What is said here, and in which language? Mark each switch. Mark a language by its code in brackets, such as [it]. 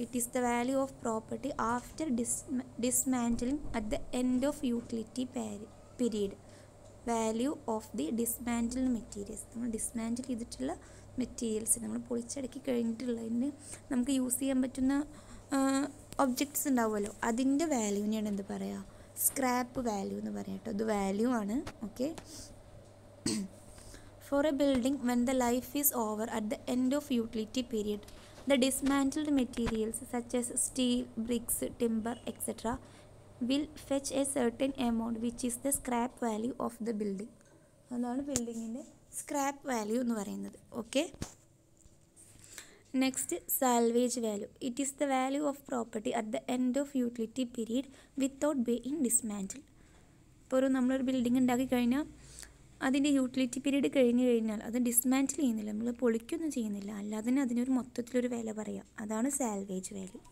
[en] It is the value of property after dismantling at the end of utility period. Value of the dismantle materials, [ml] നമ്മൾ ഡിസ്മാൻറ്റിൽ ചെയ്തിട്ടുള്ള materials, നമ്മൾ പൊളിച്ചടക്കി കഴിഞ്ഞിട്ടുള്ളതിന് നമുക്ക് use ചെയ്യാൻ പറ്റുന്ന objects ഉണ്ടാവുമല്ലോ, അതിൻ്റെ വാല്യൂവിനെയാണ് എന്ത് പറയുക, സ്ക്രാപ്പ് വാല്യൂ എന്ന് പറയാം കേട്ടോ. അത് വാല്യൂ ആണ്. [en] Okay, For a building, when the life is over at the end of utility period, the dismantled materials such as steel, bricks, timber, etc. will fetch a certain amount which is the scrap value of the building. [ml] അതാണ് ബിൽഡിങ്ങിൻ്റെ scrap value എന്ന് പറയുന്നത്. Okay, next salvage value. [en] It is the value of property at the end of utility period without being dismantled. [ml] ഇപ്പോൾ ഒരു നമ്മളൊരു building ഉണ്ടാക്കി കഴിഞ്ഞാൽ അതിൻ്റെ യൂട്ടിലിറ്റി പീരീഡ് കഴിഞ്ഞ് കഴിഞ്ഞാൽ അത് ഡിസ്മാൻറ്റിൽ ചെയ്യുന്നില്ല, നമ്മൾ പൊളിക്കൊന്നും ചെയ്യുന്നില്ല, അല്ലാതിന് അതിനൊരു മൊത്തത്തിലൊരു വില പറയാം, അതാണ് സാൽവേജ് വാല്യൂ.